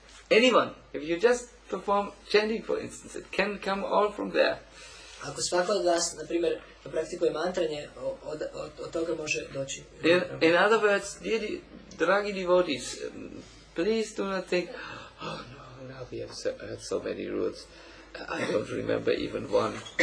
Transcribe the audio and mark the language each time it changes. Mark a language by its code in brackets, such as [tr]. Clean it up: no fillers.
[en] Anyone, if you just perform chanting for instance, it can come all from there. [sr] Ako svako od vas, na primjer, praktikuje mantranje, od toga može doći. [en] In other words, dragi devotees, please do not think, oh no, now we have heard so many rules, I don't remember even one.